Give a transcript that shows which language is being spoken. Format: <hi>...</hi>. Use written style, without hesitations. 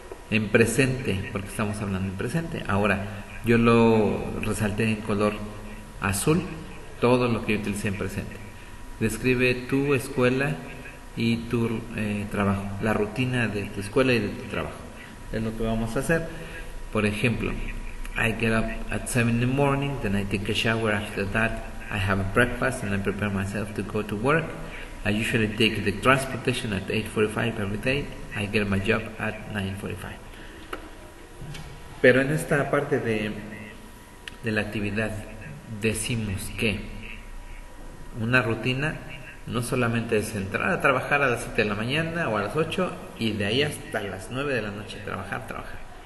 <es>En presente, porque estamos hablando en presente. Ahora, yo lo resalté en color azul, todo lo que yo utilicé en presente. Describe tu escuela y tu trabajo, la rutina de tu escuela y de tu trabajo. Es lo que vamos a hacer. Por ejemplo,</es> <en>I get up at 7 in the morning, then I take a shower after that. I have a breakfast and I prepare myself to go to work. I usually take the transportation at 8:45 every day. I get my job at 9:45.</en> <es>Pero en esta parte de la actividad decimos que una rutina no solamente es entrar a trabajar a las 7 de la mañana o a las 8 y de ahí hasta las 9 de la noche trabajar, trabajar.</es>